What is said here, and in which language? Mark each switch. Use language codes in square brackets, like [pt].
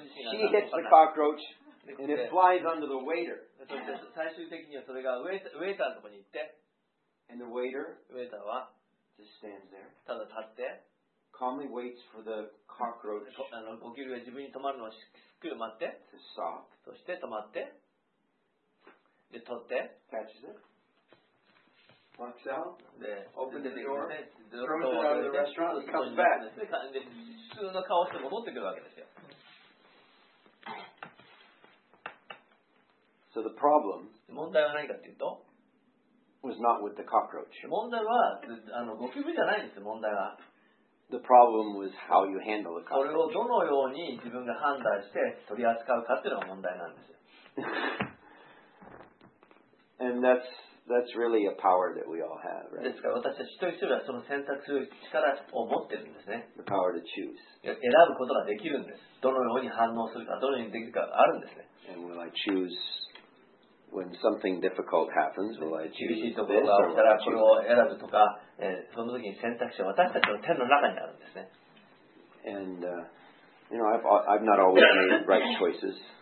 [en] She hits the cockroach and it flies onto the waiter. [ja] 最終的にはそれがウェイターのところに行って、 [en] And the waiter, [ja] ウェイターは [en] just stands there, [ja] ただ立って、 [en] calmly waits for the cockroach, [ja] ゴキブリが自分に止まるのをしっかり待って、 [en] to stop, [ja] そして止まって、で取って、 [en] catches it, walks out, [ja] で [en] opens the door, throws it out of the restaurant, comes back. [ja] で普通の顔して戻ってくるわけですよ。 [en] So the problem [ja] 問題は何かというと [en] was not with the cockroach. [ja] 問題はゴキブリじゃないんです。問題は [en] the problem was how you handle the cockroach. [ja] それをどのように自分が判断して取り扱うかっていうのが問題なんです。 [en] And that's really a power that we all have, right? [ja] ですから私たち一人一人はその選択する力を持ってるんですね。 [en] The power to choose. [ja] 選ぶことができるんです。どのように反応するか、どのようにできるかあるんですね。 [en] And will I choose? When something difficult happens, will I choose this or will I choose that? [ja] 厳しいところが起きたらこれを選ぶとか、その時に選択肢は私たちの手の中にあるんですね。 [en] And You know, I've not always made right choices.